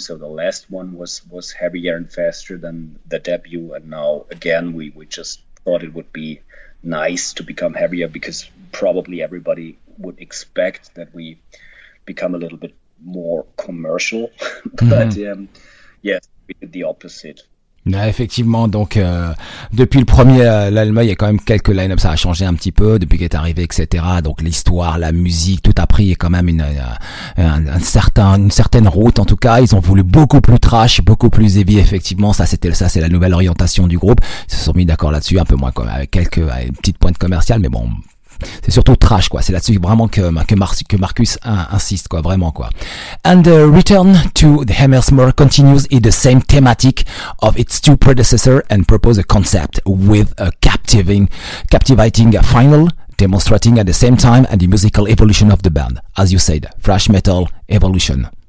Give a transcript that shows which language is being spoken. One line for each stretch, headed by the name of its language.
English: So the last one was heavier and faster than the debut. And now again, we just thought it would be nice to become heavier because probably everybody would expect that we become a little bit more commercial. But we did the opposite.
French: Non, effectivement, donc depuis le premier, l'album, il y a quand même quelques line-up, ça a changé un petit peu depuis qu'il est arrivé, etc. Donc l'histoire, la musique, tout a pris quand même une certaine route. En tout cas, ils ont voulu beaucoup plus trash, beaucoup plus heavy. Effectivement, c'est la nouvelle orientation du groupe. Ils se sont mis d'accord là-dessus, un peu moins quand même, avec quelques petites pointes commerciales, mais bon. C'est surtout trash, quoi. C'est là-dessus vraiment que Marcus insiste, quoi. Vraiment, quoi.
English: And the return to the Hammersmore continues in the same thematic of its two predecessors and propose a concept with a captivating final, demonstrating at the same time the musical evolution of the band. As you said, thrash metal evolution.